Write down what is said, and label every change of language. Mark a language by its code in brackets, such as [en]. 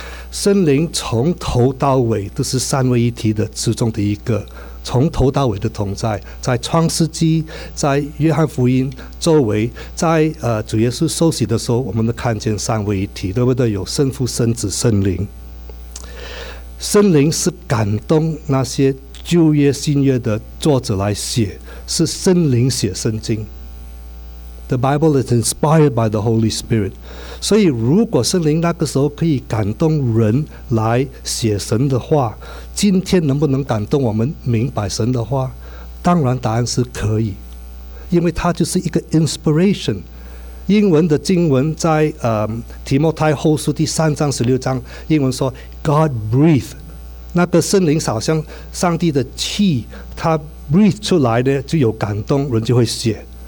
[zh] 圣灵从头到尾都是三位一体的之中的一个，从头到尾的同在，在创世纪，在约翰福音周围，在主耶稣受洗的时候，我们都看见三位一体，对不对？有圣父、圣子、圣灵。圣灵是感动那些旧约、新约的作者来写，是圣灵写圣经。 [en] The Bible is inspired by the Holy Spirit. [zh] 所以如果圣灵那个时候可以感动人来写神的话，今天能不能感动我们明白神的话？当然答案是可以，因为它就是一个 inspiration。英文的经文在提摩太后书第三章十六章，英文说 [en] God breathed， [zh] 那个圣灵好像上帝的气，他 breathed 出来的就有感动，人就会写。